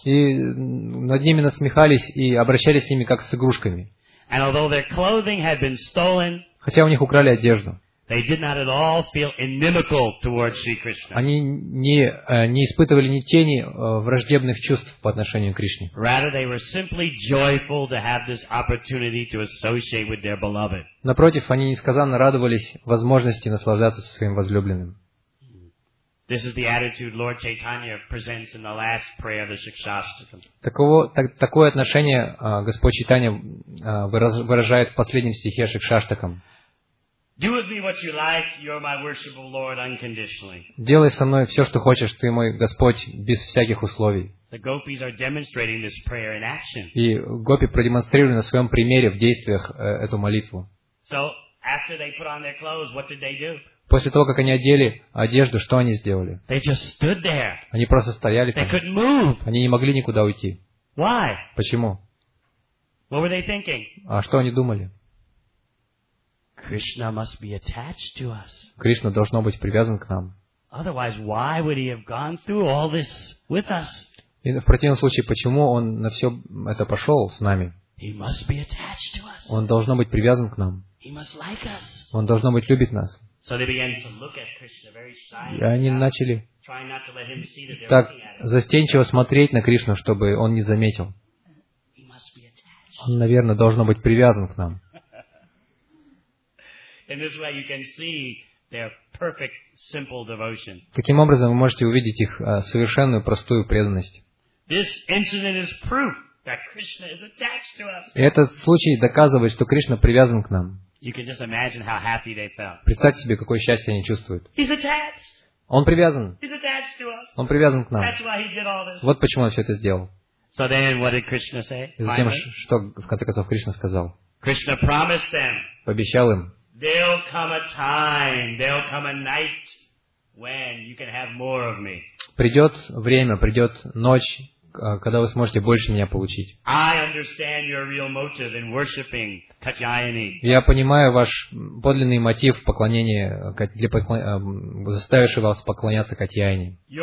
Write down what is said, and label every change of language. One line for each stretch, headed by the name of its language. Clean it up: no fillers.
Russian: И над ними насмехались и обращались с ними как с игрушками.
English: And although their clothing had been stolen,
Russian: хотя у них украли одежду,
English: they did not at all feel inimical towards Sri Krishna.
Russian: Они не испытывали ни тени враждебных чувств по отношению к Кришне.
English: Rather, they were simply joyful to have this opportunity to associate with their beloved.
Russian: Напротив, они несказанно радовались возможности наслаждаться со своим возлюбленным.
English: This is the attitude Lord Chaitanya presents in the last prayer of the Shikshastakam.
Russian: Такое отношение Господь Чайтанья выражает в последнем стихе Шикшаштакам.
English: Do with me what you like, you are my worshipful Lord unconditionally.
Russian: Делай со мной все, что хочешь, ты мой Господь, без всяких условий.
English: The gopis are demonstrating this prayer in action.
Russian: И гопи продемонстрировали на своем примере в действиях эту молитву.
English: So, after they put on their clothes, what did they do?
Russian: После того, как они одели одежду, что они сделали?
English: They just stood there.
Russian: Они просто стояли там.
English: They couldn't move.
Russian: Они не могли никуда уйти.
English: Why?
Russian: Почему?
English: What were they thinking?
Russian: А что они думали?
English: Krishna must be attached to us.
Russian: Кришна должно быть привязан к нам.
English: Otherwise, why would he have gone through all this with us?
Russian: И в противном случае, почему он на все это пошел с нами?
English: He must be attached to us.
Russian: Он должно быть привязан к нам.
English: He must like us.
Russian: Он должно быть любить нас.
English: So they began to look at Krishna very shyly.
Russian: И они начали
English: trying not to let him see that they're
Russian: так застенчиво смотреть на Кришну, чтобы он не заметил.
English: He must be attached.
Russian: Он, наверное, должен быть привязан к нам.
English: In this way you can see their perfect, simple devotion.
Russian: Таким образом, вы можете увидеть их совершенную простую преданность.
English: This incident is proof that Krishna is attached to us.
Russian: И этот случай доказывает, что Кришна привязан к нам.
English: You can just imagine how happy they felt.
Russian: Представьте себе, какое счастье они чувствуют.
English: He's attached.
Russian: Он привязан.
English: He's attached to us.
Russian: Он привязан к нам.
English: That's why he did all this.
Russian: Вот почему он все это сделал.
English: So then, what did Krishna say?
Russian: И затем, что в конце концов Кришна сказал?
English: Krishna promised them.
Russian: Пообещал им.
English: There'll come a time, there'll come a night when you can have more of me.
Russian: Придет время, придет ночь, когда вы сможете больше меня получить.
English: I understand your real motive in worshiping.
Russian: Я понимаю ваш подлинный мотив поклонения, заставивший вас поклоняться Катьяйне.